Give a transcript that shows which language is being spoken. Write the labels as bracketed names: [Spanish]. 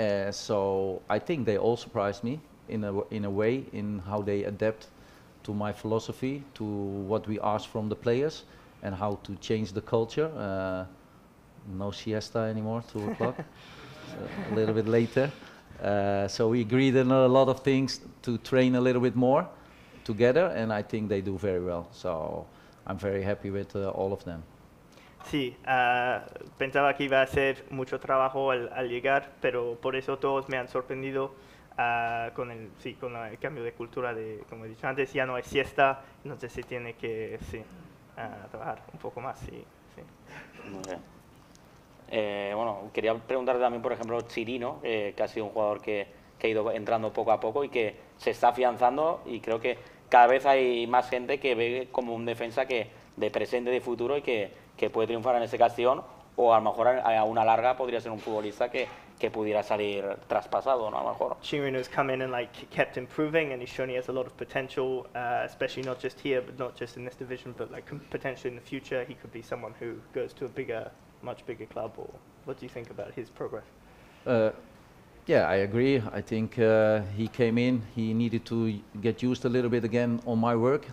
[English] So I think they all surprised me in a way in how they adapt to my philosophy, to what we ask from the players and how to change the culture. No siesta anymore, 2 o'clock, so a little bit later. So we agreed on a lot of things to train a little bit more together, and I think they do very well. So I'm very happy with all of them. [Spanish] Sí, pensaba que iba a ser mucho trabajo al llegar, pero por eso todos me han sorprendido con el cambio de cultura de, como he dicho antes, ya no hay siesta, entonces se tiene que trabajar un poco más. Sí. Muy bien. Bueno, quería preguntarte también, por ejemplo, Chirino, que ha sido un jugador que ha ido entrando poco a poco y que se está afianzando, y creo que cada vez hay más gente que ve como un defensa que de presente, de futuro, y que puede triunfar en ese Castellón, o a lo mejor a una larga podría ser un futbolista que pudiera salir traspasado, ¿no? A lo mejor. [English] Chirino has come in and like kept improving, and he's shown he has a lot of potential, especially not just here, but not just in this division, but like potentially in the future, he could be someone who goes to a bigger, much bigger club. Or what do you think about his progress? Yeah, I agree. I think he came in, he needed to get used a little bit again on my work.